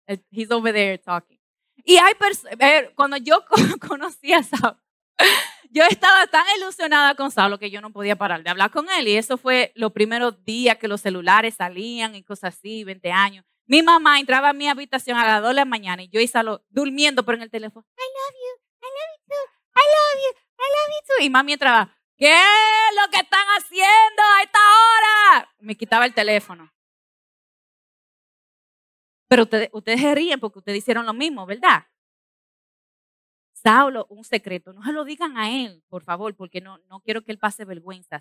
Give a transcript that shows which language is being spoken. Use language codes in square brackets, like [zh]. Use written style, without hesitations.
[en] He's over there talking. [es] Y cuando yo conocí a Saulo, yo estaba tan ilusionada con Saulo que yo no podía parar de hablar con él. Y eso fue los primeros días que los celulares salían y cosas así, 20 años. Mi mamá entraba a mi habitación a las 2 de la mañana y yo y Saulo durmiendo por en el teléfono. [en] I love you, I love you too, I love you. [es] Y mami entraba, ¿qué es lo que están haciendo a esta hora? Me quitaba el teléfono. Pero ustedes se ríen porque ustedes hicieron lo mismo, ¿verdad? Saulo, un secreto, no se lo digan a él, por favor, porque no quiero que él pase vergüenza.